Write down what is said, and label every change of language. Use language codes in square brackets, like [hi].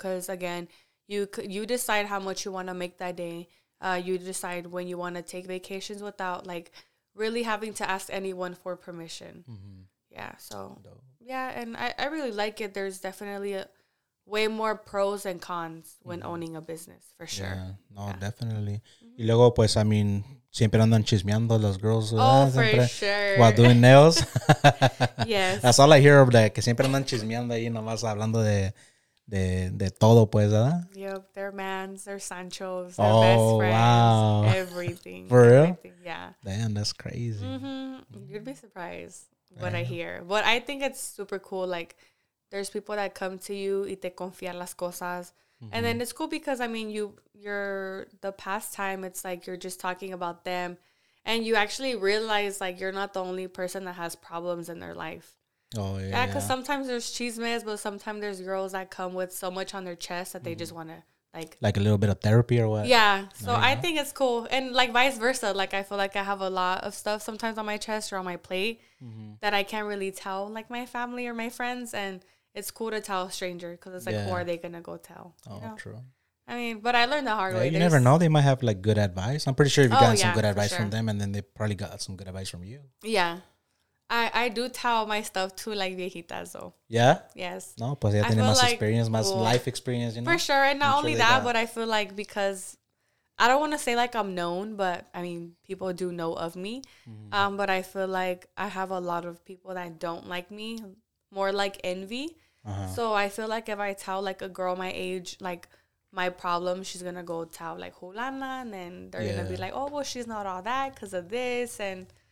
[en] Because, again, you decide how much you want to make that day. You decide when you want to take vacations without, like, really having to ask anyone for permission. Mm-hmm. Yeah, so, yeah, and I really like it. There's definitely way more pros and cons when owning a business, for sure. Yeah, no, yeah. Definitely. [es] Mm-hmm. Y luego, pues, [en] I mean, [es] siempre andan chismeando las girls. [en] Oh, ah, for [es] siempre, [en] sure. While doing nails. Yes. That's all I hear of that, [es] que siempre andan chismeando ahí nomás hablando de todo, pues, ¿verdad? [en] Yep, their mans, their Sanchos, their best friends. Wow. Everything. For real? Everything, yeah. Damn, that's crazy. Mm-hmm. You'd be surprised what I hear. But I think it's super cool. Like, there's people that come to you [es] y te confían las cosas. [en] Mm-hmm. And then it's cool because, I mean, you're the past time, it's like you're just talking about them. And you actually realize, like, you're not the only person that has problems in their life. Oh, yeah. Yeah, because sometimes there's chismes, but sometimes there's girls that come with so much on their chest that they just want to, like... Like a little bit of therapy or what? Yeah. So I think it's cool. And, like, vice versa. Like, I feel like I have a lot of stuff sometimes on my chest or on my plate that I can't really tell, like, my family or my friends. And it's cool to tell a stranger because it's like, who are they going to go tell? Oh, you know? True. I mean, but I learned the hard way. You never know. They might have, like, good advice. I'm pretty sure you've gotten some good advice from them, and then they probably got some good advice from you. Yeah. I do tell my stuff to, like, viejitas, though. Yeah? Yes. [es] No, pues ya tiene más experience, más [en] life experience, you know? For sure. And not only that, but I feel like because I don't want to say, like, I'm known, but, I mean, people do know of me. Mm-hmm. But I feel like I have a lot of people that don't like me, more like envy. Uh-huh. So I feel like if I tell, like, a girl my age, like, my problem, she's going to go tell, like, Julana, and then they're going to be like, oh, well, she's not all that because of this, and...